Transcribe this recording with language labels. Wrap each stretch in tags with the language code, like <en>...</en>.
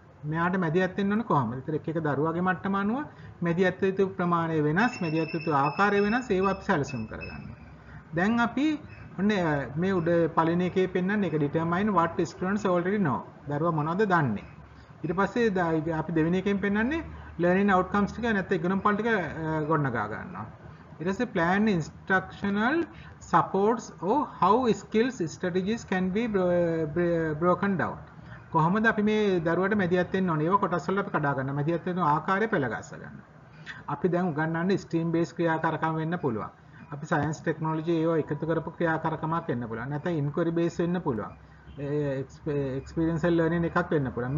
<si>මෙයාට මැදිහත් වෙන්න ඕනේ කොහමද? ඒතර එක එක දරුවාගේ මට්ටම අනුව මැදිහත් වෙතු ප්‍රමාණය වෙනස්, මැදිහත් වෙතු ආකාරය වෙනස් ඒවා අපි සැලසුම් කරගන්නවා. දැන් අපි ඔන්නේ මේ උඩ පළවෙනි එකේ පෙන්වන්නේ ඒක</si> <en>Determine what students already know.</en> <si>දරුවා මොනවද දන්නේ? ඊට පස්සේ අපි දෙවෙනි එකෙන් පෙන්වන්නේ learning outcomes ටික නැත්නම් ඉගෙනුම් පල් ටික ගොඩනගා ගන්නවා.</si> <en>It is a plan instructional supports or how skills strategies can be broken down.</en> <si>කොහොමද අපි මේ දරුවට මැදිහත් වෙන්න ඕනේ? ඒක කොටස් වල අපි කඩා ගන්න. මැදිහත් වෙන ආකාරය පළගස්ස ගන්න. අපි දැන් උගන්වන්නේ stream based ක්‍රියාකාරකම් වෙන්න පුළුවන්. අපි science technology ඒව එකතු කරපු ක්‍රියාකාරකමක් වෙන්න පුළුවන්. නැත්නම් inquiry based වෙන්න පුළුවන්. Experiential learning එකක් වෙන්න පුළුවන්.</si>